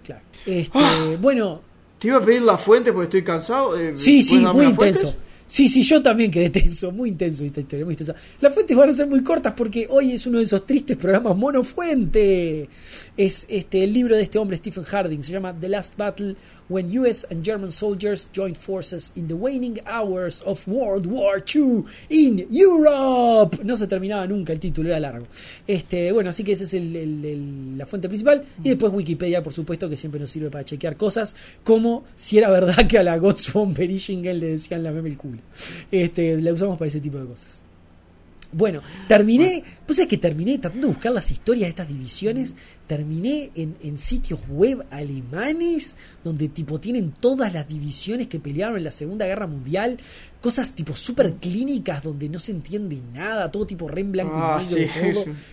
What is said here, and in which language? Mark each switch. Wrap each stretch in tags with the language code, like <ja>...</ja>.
<es>Claro. Bueno. Te iba a pedir la fuente porque estoy cansado. Sí, muy intenso. Fuentes? Sí, yo también quedé tenso, muy intenso esta historia, muy intensa. Las fuentes van a ser muy cortas porque hoy es uno de esos tristes programas monofuente. Es el libro de este hombre, Stephen Harding, se llama The Last Battle. When U.S.</es> <en>and German soldiers joined forces in the waning hours of World War II in Europe.</en> <es>No se terminaba nunca el título, era largo. Bueno, así que esa es la fuente principal. Y después Wikipedia, por supuesto, que siempre nos sirve para chequear cosas, como si era verdad que a la Gods von Beringen le decían la meme el culo. La usamos para ese tipo de cosas. Bueno, terminé, bueno. Pues es que terminé tratando de buscar las historias de estas divisiones, terminé en sitios web alemanes donde tipo tienen todas las divisiones que pelearon en la Segunda Guerra Mundial, cosas tipo super clínicas donde no se entiende nada, todo tipo re en blanco y negro, sí, todo. Sí.</es>